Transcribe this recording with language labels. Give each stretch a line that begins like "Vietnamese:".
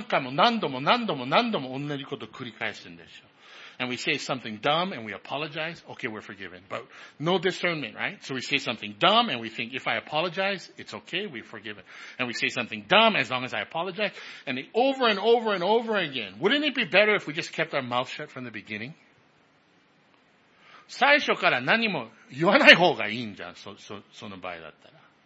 Japanese: でも識別力がなかったら同じようなことする。で、バカなこと言う。はい、ごめんなさい。で、許される。で、バカなこと言う。はい、ごめんなさい。で、許される。バカなこと言う。もう何回も何度も何度も何度も同じことを繰り返すんでしょう。
English: And we say something dumb and we apologize. Okay, we're forgiven. But no discernment, right? So we say something dumb and we think if I apologize, it's okay, we're forgiven. And we say something dumb as long as I apologize. And over and over and over again. Wouldn't it be better if we just kept our mouth shut from the beginning?
Japanese: 最初から何も言わない方がいいんじゃん、その場合だったら。